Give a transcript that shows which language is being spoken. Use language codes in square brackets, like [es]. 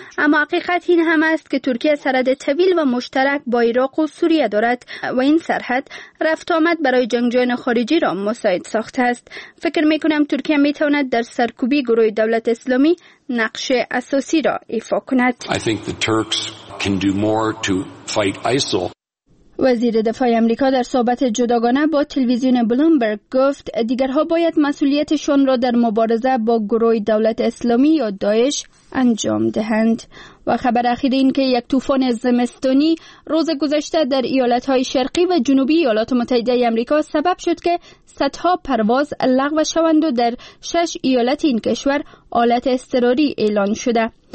[fa] اما حقیقت این هم است که ترکیه سرحد طویل و مشترک با عراق و سوریه دارد و این سرحد رفت آمد برای جنگجویان خارجی را مساعد ساخته است. فکر می کنم ترکیه می تواند در سرکوبی گروه دولت اسلامی نقش اساسی را ایفا کند. [en] I think the Turks can do more to fight ISIL. [fa] وزیر دفاع آمریکا در صحبت جداگانه با تلویزیون بلومبرگ گفت دیگرها باید مسئولیتشان را در مبارزه با گروه دولت اسلامی یا داعش انجام دهند. و خبر اخیر این که یک طوفان زمستانی روز گذشته در ایالت‌های شرقی و جنوبی ایالات متحده آمریکا سبب شد که صدها پرواز لغو شوند و در 6 ایالت این کشور حالت اضطراری اعلان شده.